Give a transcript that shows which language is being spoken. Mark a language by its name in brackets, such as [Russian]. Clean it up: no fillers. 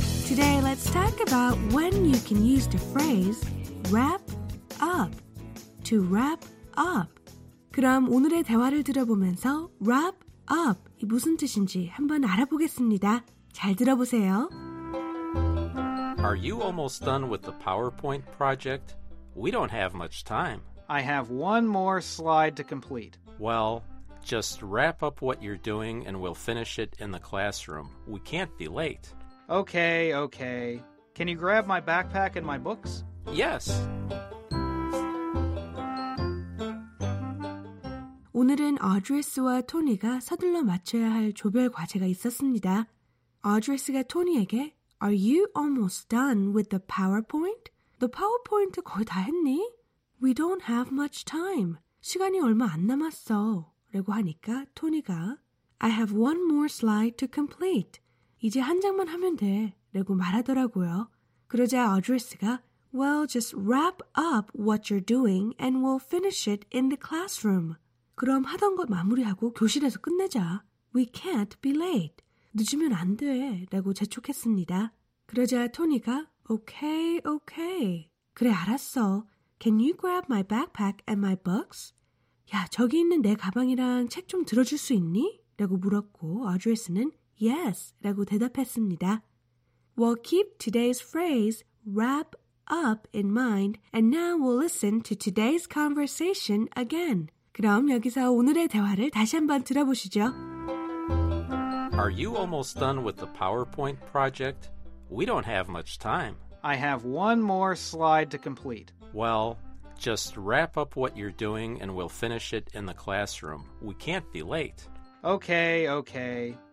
[Korean] 오늘 [English] let's talk about when you can use the phrase wrap up, to wrap up. [Korean] 그럼 오늘의 대화를 들어보면서 wrap up 이 무슨 뜻인지 한번 알아보겠습니다. 잘 들어보세요. [English] Are you almost done with the PowerPoint project? We don't have much time. I have one more slide to complete. Well, just wrap up what you're doing and we'll finish it in the classroom. We can't be late. Okay, okay. Can you grab my backpack and my books? Yes. [Korean] 오늘은 어드레스와 토니가 서둘러 맞춰야 할 조별 과제가 있었습니다. 어드레스가 토니에게 [English] Are you almost done with the PowerPoint? [Korean] The PowerPoint 거의 다 했니? [English] We don't have much time. [Korean] 시간이 얼마 안 남았어. 라고 하니까 토니가 [English] I have one more slide to complete. [Korean] 이제 한 장만 하면 돼. 라고 말하더라고요. 그러자 어드레스가 [English] Well, just wrap up what you're doing and we'll finish it in the classroom. [Korean] 그럼 하던 것 마무리하고 교실에서 끝내자. [English] We can't be late. [Korean] 늦으면 안 돼. 라고 재촉했습니다. 그러자 토니가 [English] Okay, okay. [Korean] 그래, 알았어. [English] Can you grab my backpack and my books? [Korean] 야, 저기 있는 내 가방이랑 책 좀 들어줄 수 있니? 라고 물었고 어드레스는 [English] Yes, [Korean] 라고 대답했습니다. [English] We'll keep today's phrase wrap up in mind and now we'll listen to today's conversation again. [Korean] 그럼 여기서 오늘의 대화를 다시 한번 들어보시죠. [English] Are you almost done with the PowerPoint project? We don't have much time. I have one more slide to complete. Well, just wrap up what you're doing and we'll finish it in the classroom. We can't be late. Okay, okay.